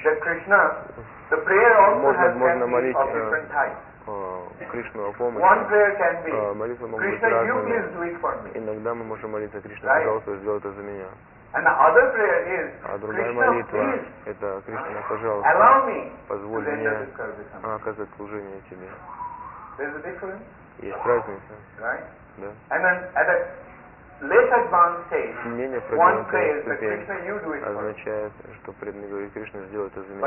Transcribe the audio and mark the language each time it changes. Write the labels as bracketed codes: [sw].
[en] That Krishna, the prayer also has can be of different types. [ru] Кришну о помощи. [en] One prayer can be. [ru] Молитва может быть разной. [en] Krishna, you please do it for me. [ru] Иногда мы можем молиться Кришне, пожалуйста, сделай это за меня. [en] And the other prayer is. [ru] А другая молитва это Кришна, пожалуйста. [en] Allow me. [ru] Позволь мне оказать служение тебе. [en] There's a difference. [ru] Есть разница. [en] Right? [ru] Да. [en] And then at a less advanced stage, [ru] менее продвинутая ступень означает, что преданный говорит, Кришна сделает это за меня.